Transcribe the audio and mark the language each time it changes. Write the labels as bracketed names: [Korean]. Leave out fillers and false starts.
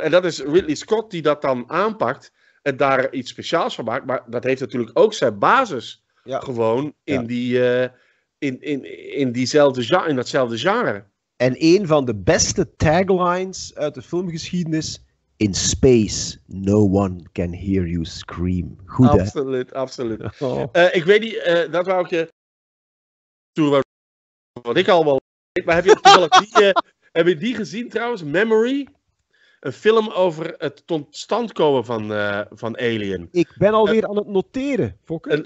[Dutch] En dat is Ridley Scott die dat dan aanpakt en daar iets speciaals van maakt. Maar dat heeft natuurlijk ook zijn basis ja. gewoon in, ja. die, in diezelfde, in datzelfde genre. En een van de beste taglines uit de filmgeschiedenis... [English] In space, no one can hear you scream. [Dutch] Goed, hè? Absoluut, absoluut. Oh. Ik weet niet, dat wou ik je... Wat ik al wel weet, maar heb je toevallig die, heb je die gezien trouwens? Memory? Een film over het tot stand komen van Alien. Ik ben alweer aan het noteren, Fokker.